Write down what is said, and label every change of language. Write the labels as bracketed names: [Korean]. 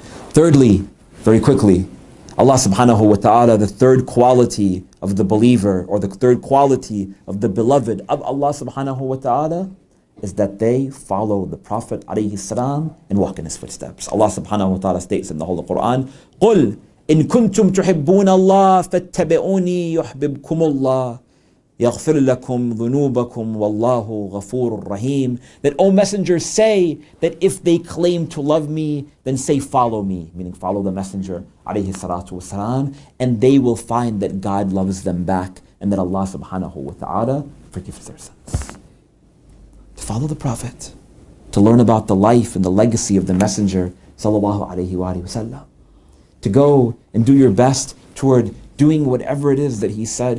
[English] Thirdly, very quickly, Allah subhanahu wa ta'ala, the third quality of the believer, or the third quality of the beloved of Allah subhanahu wa ta'ala, is that they follow the Prophet alayhi salam and walk in his footsteps. Allah subhanahu wa ta'ala states in the Holy Quran, [Arabic] قُلْ إِن كُنْتُمْ تُحِبُّونَ اللَّهِ فَاتَّبِعُونِي يُحْبِبْكُمُ اللَّهِ يَغْفِرْ لَكُمْ ذُنُوبَكُمْ وَاللَّهُ غَفُورٌ رَّحِيمٌ. [English] That, O Messenger, say that if they claim to love me, then say, follow me, meaning follow the Messenger alayhi salatu wasalam, and they will find that God loves them back and that Allah subhanahu wa ta'ala forgives their sins. To follow the Prophet, to learn about the life and the legacy of the Messenger sallallahu alayhi wa sallam, to go and do your best toward doing whatever it is that he said.